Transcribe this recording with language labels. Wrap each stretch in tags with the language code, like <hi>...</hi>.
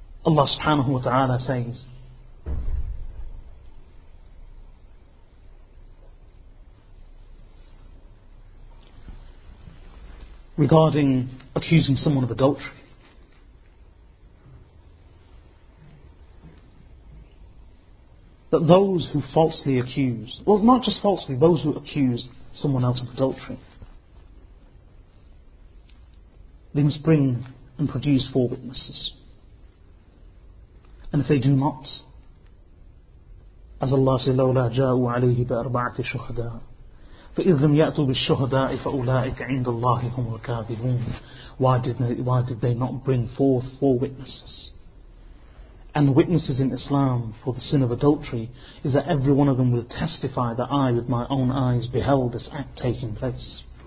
<en>Allah subhanahu wa ta'ala says, regarding accusing someone of adultery, that those who falsely accuse, well, not just falsely, those who accuse someone else of adultery, they must bring and produce four witnesses. And if they do not, as Allah says,</en> <ar>لَوْ لَا جَاءُوا عَلَيْهِ بَأَرْبَعَةِ شُهَدَاءَ فَإِذْ لَمْ يَأْتُوا بِالشُهَدَاءِ فَأُولَٰئِكَ عِنْدَ اللَّهِ هُمُ الْكَاذِبُونَ.</ar> <en>Why did they not bring forth four witnesses? And the witnesses in Islam for the sin of adultery is that every one of them will testify that I with my own eyes beheld this act taking place.</en>